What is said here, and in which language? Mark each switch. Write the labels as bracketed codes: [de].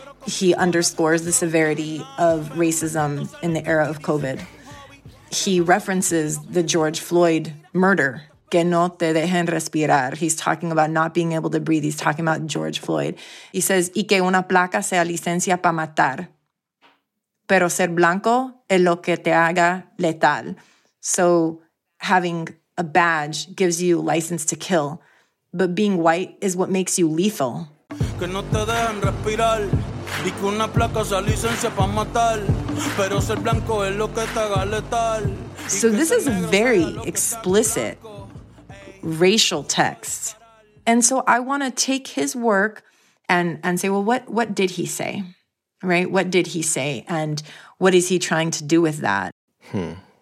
[en] He underscores the severity of racism in the era of COVID. He references the George Floyd murder. [es] Que no te dejen respirar. [en] He's talking about not being able to breathe. He's talking about George Floyd. He says, [es] y que una placa sea licencia para matar. Pero ser blanco es lo que te haga letal. [en] So having a badge gives you license to kill. But being white is what makes you lethal. [es] Que no te dejen respirar. Y que una placa sea licencia para matar. Pero ser blanco es lo que te haga letal. [en] So this is a very explicit racial text. And so I want to take his work and say, well, what did he say? Right? What did he say? And what is he trying to do with that? Hmm.